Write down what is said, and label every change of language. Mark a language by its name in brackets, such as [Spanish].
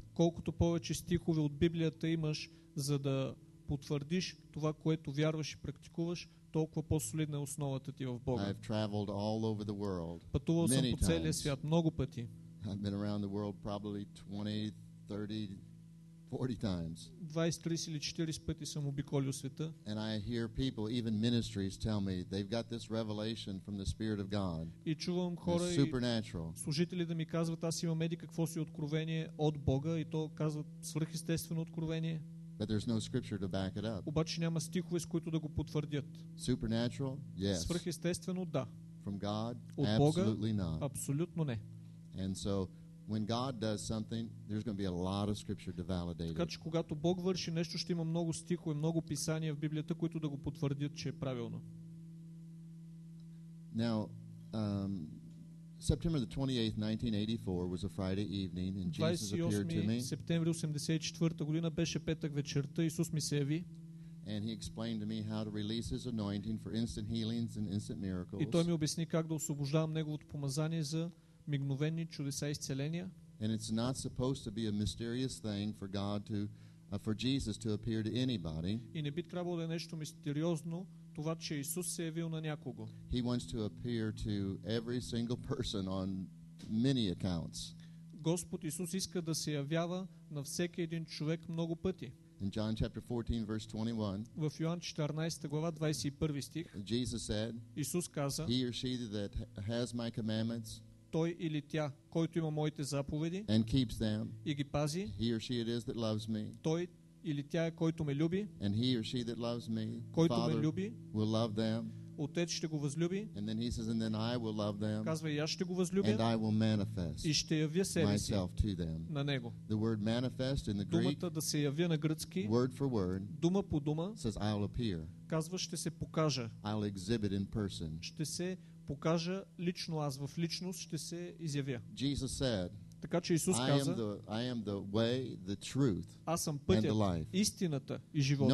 [Bulgarian] Колкото повече стихове от Библията имаш, за да потвърдиш това, което вярваш и практикуваш, толкова по-солидна е основата ти в Бога. [English] I've traveled all over the world. [Bulgarian] Пътувал съм по целия свят много пъти. [English] I've been around the world probably 20, 30 40 times. [Bulgarian] 20-30 или 40 пъти съм обиколил света. [English] And I hear people, even ministries tell me they've got this revelation from the Spirit of God. [Bulgarian] И чувам хора supernatural. И служители да ми казват: аз имам еди какво си откровение от Бога, и то казват свръхестествено откровение. [English] But there's no scripture to back it up. [Bulgarian] Обаче няма стихове, с които да го потвърдят. [English] Supernatural? Yes. [Bulgarian] Свръхестествено? Да. [English] From God? [Bulgarian] От Бога? [English] Absolutely not. [Bulgarian] Абсолютно не. [English] And so when God does something, there's going to be a lot of scripture to validate it. [Bulgarian] Така че когато Бог върши нещо, ще има много стихове, много писания в Библията, които да го потвърдят, че е правилно. [English] Now, September the 28th, 1984 was a Friday evening and Jesus appeared to me. [Bulgarian] 28 септември 84-та година беше петък вечерта, Исус ми се яви. [English] And he explained to me how to release his anointing for instant healings and instant miracles. [Bulgarian] И той ми обясни как да освобождавам неговото помазание за мигновени чудеса и изцеления. [English] And it's not supposed to be a mysterious thing for God to for Jesus to appear to anybody. [Bulgarian] И не би трябвало да е нещо мистериозно това, че Исус се явил на някого. [English] He wants to appear to every single person on many accounts. [Bulgarian] Господ Исус иска да се явява на всеки един човек много пъти. [English] In John chapter 14 verse 21. [Bulgarian] В Йоан 14 глава 21 стих. [English] Jesus said, [Bulgarian] Исус каза: [English] He or she that has my commandments, [Bulgarian] той или тя, който има моите заповеди [English] and keeps them, [Bulgarian] и ги пази, [English] he or she it is that loves me, [Bulgarian] той или тя е, който ме люби, [English] and he or she that loves me, [Bulgarian] който ме люби, [English] will love them, [Bulgarian] отец ще го възлюби, [English] and then he says, and then I will love them, [Bulgarian] казва, и аз ще го възлюбя, [English] and I will manifest [Bulgarian] и ще явя себе [English] myself [Bulgarian] си [English] to them. [Bulgarian] На него. [English] The word manifest in the Greek, [Bulgarian] думата да се явя на гръцки, [English] word for word, [Bulgarian] дума по дума, [English] says, I'll appear, [Bulgarian] казва, ще се покажа, [English] I'll exhibit in person, [Bulgarian] ще се покажа лично аз, в личност ще се изявя. [English] Jesus said, [Bulgarian] така че Исус каза, [English] I am the way, the truth, [Bulgarian] аз съм пътят, истината и живота.